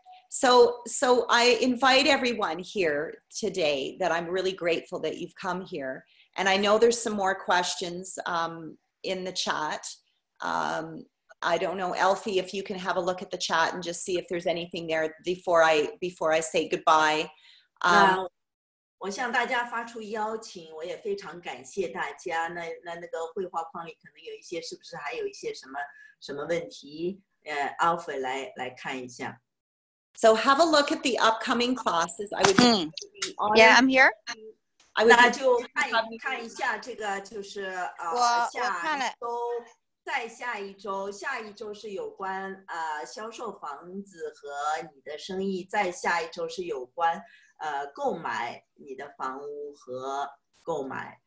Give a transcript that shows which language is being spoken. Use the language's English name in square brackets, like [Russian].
[English] So I invite everyone here today that I'm really grateful that you've come here, and I know there's some more questions in the chat. I don't know, Elfie, if you can have a look at the chat and just see if there's anything there before I say goodbye. [Chinese] 我向大家发出邀请，我也非常感谢大家。那个绘画框里可能有一些，是不是还有一些什么问题？ Alpha 来看一下。 [English] So have a look at the upcoming classes. I would be honored. Yeah, I'm here. I would [Chinese] 那就看一下这个，就是下周再下一周，下一周是有关销售房子和你的生意，再下一周是有关。购买你的房屋和购买